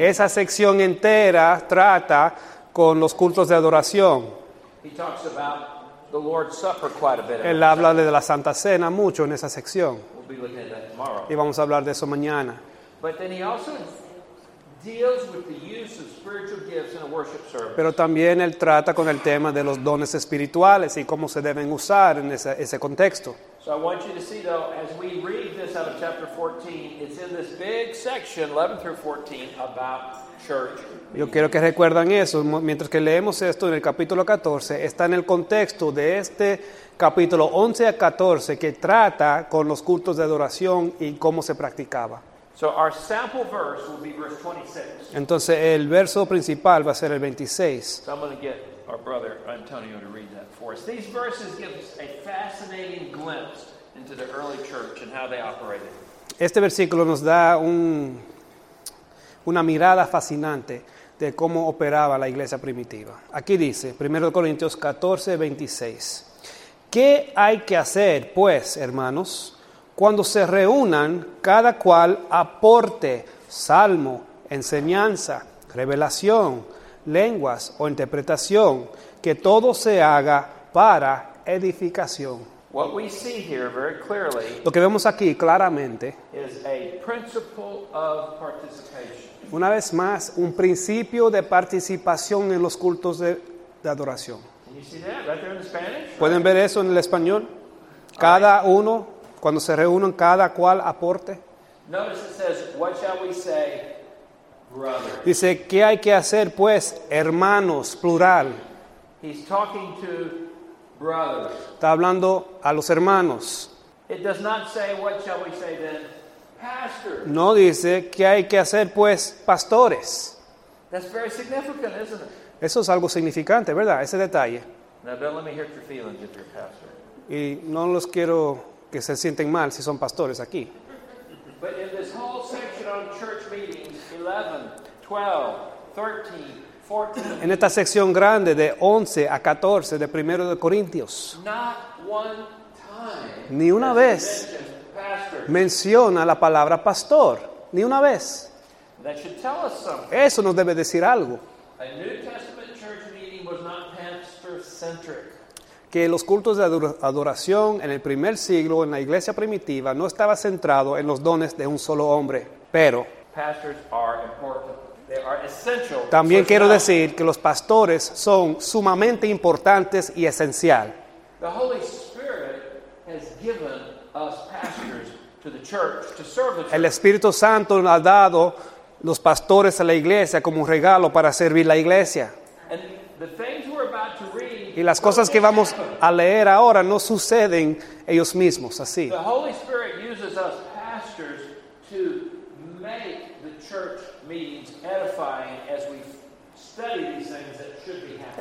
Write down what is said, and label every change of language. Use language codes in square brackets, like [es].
[es] Esa sección entera trata con los cultos de adoración. [en] He talks about the Lord's Supper quite a bit. [es] Él habla de la Santa Cena mucho en esa sección. [en] We'll be looking at that tomorrow. [es] Y vamos a hablar de eso mañana. [en] But then he also deals with the use of spiritual gifts in a worship service. [es] Pero también él trata con el tema de los dones espirituales y cómo se deben usar en ese contexto. [en] So I want you to see though, as we read this out of chapter 14, it's in this big section, 11 through 14, about church. [es] Yo quiero que recuerden eso, mientras que leemos esto en el capítulo 14, está en el contexto de este capítulo 11 a 14 que trata con los cultos de adoración y cómo se practicaba. [en] So our sample verse will be verse 26. [es] Entonces el verso principal va a ser el 26. [en] So I'm going to get our brother Antonio to read that for us. These verses give us a fascinating glimpse into the early church and how they operated. [es] Este versículo nos da una mirada fascinante de cómo operaba la iglesia primitiva. Aquí dice, 1 Corintios 14, 26. ¿Qué hay que hacer, pues, hermanos, cuando se reúnan, cada cual aporte salmo, enseñanza, revelación, lenguas o interpretación, que todo se haga para edificación? [en] What we see here very clearly, [es] lo que vemos aquí claramente, [en] is a principle of participation. [es] Una vez más, un principio de participación en los cultos de adoración. [en] Can you see that? Right there in the Spanish? [es] ¿Pueden ver eso en el español? Cada right. uno, cuando se reúnen, cada cual aporte. [en] Notice it says, what shall we say, brothers? [es] Dice, ¿qué hay que hacer, pues, hermanos, plural? [en] He's talking to brothers. [es] Está hablando a los hermanos. [en] It does not say, what shall we say then? [es] No dice que hay que hacer, pues, pastores. [en] That's very significant, isn't it? [es] Eso es algo significante, ¿verdad? Ese detalle. [en] Now, don't let me hurt your feelings if you're a pastor. [es] Y no los quiero que se sienten mal si son pastores aquí. [en] But in this whole section on church meetings, 11, 12, 13, 14, [es] en esta sección grande de 11 a 14 de 1 de Corintios, [en] not one time, [es] ni una vez menciona la palabra pastor, ni una vez. [en] That should tell us something. [es] Eso nos debe decir algo. [en] A New Testament church meeting was not pastor-centric. [es] Que los cultos de adoración en el primer siglo en la iglesia primitiva no estaba centrado en los dones de un solo hombre, pero [en] pastors are important. They are essential. [es] También quiero decir que los pastores son sumamente importantes y esencial. [en] The Holy Spirit has given us pastors to the church, to serve the church. [es] El Espíritu Santo nos ha dado los pastores a la iglesia como un regalo para servir la iglesia. [en] And the things we're about to read, [es] y las cosas que vamos a leer ahora no suceden ellos mismos así. [en] The Holy Spirit uses us pastors to make the church meetings edifying as we study these things that should be happening.